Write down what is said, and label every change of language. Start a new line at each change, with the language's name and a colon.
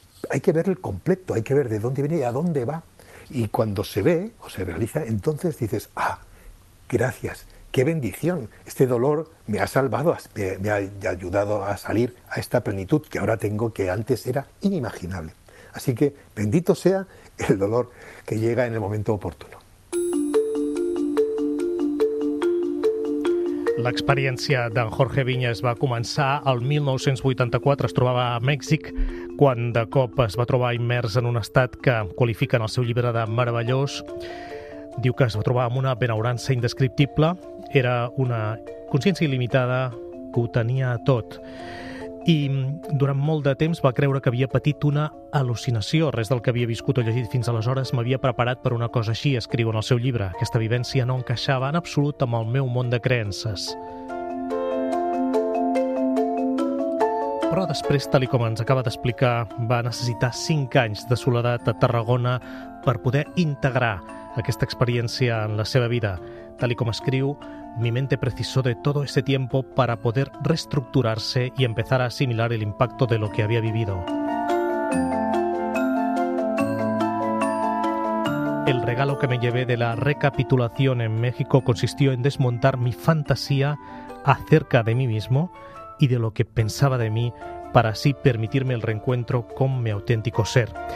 Spanish: Hay que ver el completo, hay que ver de dónde viene y a dónde va. Y cuando se ve o se realiza, entonces dices, ah, gracias, qué bendición. Este dolor me ha salvado, me ha ayudado a salir a esta plenitud que ahora tengo, que antes era inimaginable. Así que bendito sea el dolor que llega en el momento oportuno.
Catalan: L'experiència d'en Jorge Viñas va començar el 1984, es trobava a Mèxic, quan de cop es va trobar immers en un estat que qualifica en el seu llibre de meravellós. Diu que es va trobar amb una benaurança indescriptible, era una consciència il·limitada que ho tenia tot. I durant molt de temps va creure que havia patit una al·lucinació. Res del que havia viscut o llegit fins aleshores m'havia preparat per una cosa així, escriu en el seu llibre. Aquesta vivència no encaixava en absolut amb el meu món de creences. Però després, tal com ens acaba d'explicar, va necessitar 5 anys de soledat a Tarragona per poder integrar aquesta experiència en la seva vida. Tal com escriu,
Spanish: mi mente precisó de todo ese tiempo para poder reestructurarse y empezar a asimilar el impacto de lo que había vivido. El regalo que me llevé de la recapitulación en México consistió en desmontar mi fantasía acerca de mí mismo y de lo que pensaba de mí, para así permitirme el reencuentro con mi auténtico ser.